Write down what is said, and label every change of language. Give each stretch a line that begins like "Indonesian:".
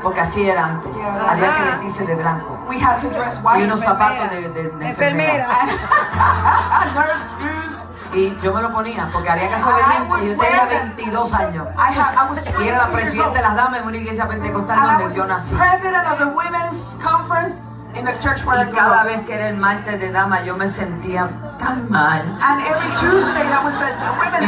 Spanish: Porque así era antes.
English: Yeah,
Spanish: había que vestirse de blanco.
English: We had to dress white.
Spanish: Y unos zapatos de enfermera.
English: Nurse shoes.
Spanish: Y yo me lo ponía porque había que ser obediente. Yo tenía 22 años.
English: I was
Spanish: y era la presidenta de las damas en una iglesia pentecostal donde yo nací.
English: President of the women's conference in the church where
Spanish: y cada vez que era el martes de dama yo me sentía tan mal.
English: And every Tuesday that was the women's